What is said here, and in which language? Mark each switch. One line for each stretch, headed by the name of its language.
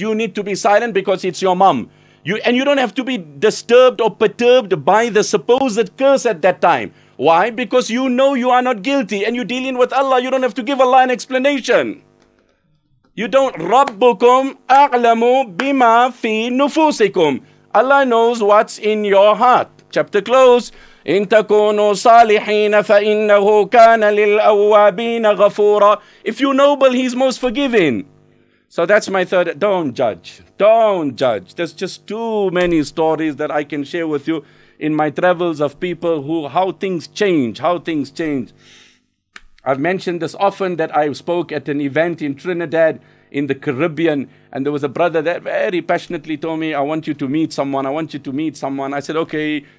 English: You need to be silent because it's your mom. You don't have to be disturbed or perturbed by the supposed curse at that time. Why? Because you know you are not guilty and you're dealing with Allah. You don't have to give Allah an explanation. You don't.
Arabic: Rabbukum a'lamu bima fi nufusikum.
English: Allah knows what's in your heart. Chapter close.
Arabic: إن تكونوا صالحين فإنه كان للأوابين غفورا.
English: If you noble, he's most forgiving. So that's my third. Don't judge. Don't judge. There's just too many stories that I can share with you in my travels of people who, how things change, how things change. I've mentioned this often, that I spoke at an event in Trinidad in the Caribbean, and there was a brother that very passionately told me, I want you to meet someone. I said, okay,